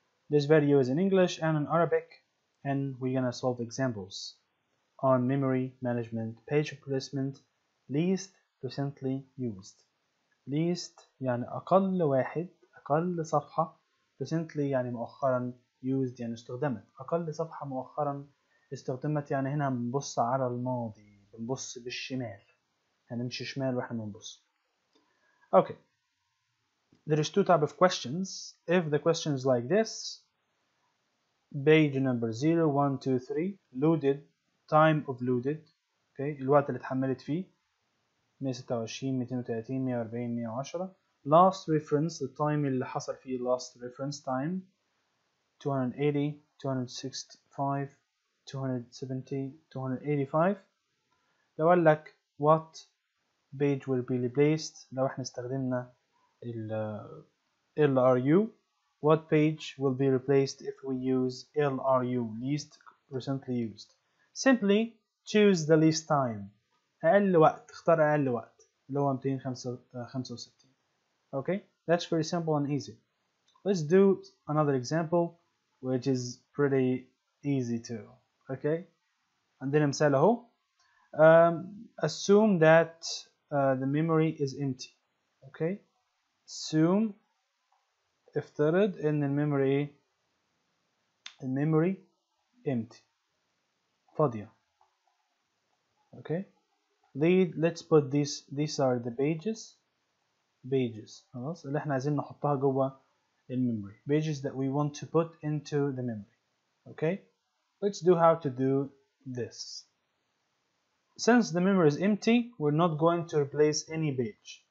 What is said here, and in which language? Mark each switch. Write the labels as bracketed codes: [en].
[en] This video is in English and in Arabic, and we're gonna solve examples on memory management, page replacement, least recently used. [ar] Least يعني أقل واحد, أقل صفحة. Recently يعني مؤخرا, used يعني استخدمت. أقل صفحة مؤخرا استخدمت يعني هنا بنبص على الماضي, بنبص بالشمال, هنمشي شمال واحنا بنبص. [en] Okay, there is two type of questions. If the question is like this, page number 0, 1, 2, 3, loaded, time of loaded, okay, [ar] الوقت اللي اتحملت فيه, [en] 126, 230, 140, 110, last reference, the time [ar] اللي حصل فيه [en] last reference time, [ar] 280, 265, 270, 285, لو قال لك, [en] what page will be replaced [ar] لو احنا استخدمنا ال LRU. [en] What page will be replaced if we use LRU, least recently used? Simply choose the least time, [ar] اقل وقت, اختار اقل وقت اللي هو 265. [en] Okay, that's very simple and easy. Let's do another example which is pretty easy too. [ar] Okay, عندنا مثال اهو. [en] Assume that the memory is empty. Okay, assume, [ar] افترض ان الميموري ايه, الميموري empty, فاضيه. [en] Okay, let's put these are the pages [ar] خلاص اللي احنا عايزين نحطها جوه الميموري, [en] pages that we want to put into the memory. Okay, let's do how to do this. Since the memory is empty, we're not going to replace any page.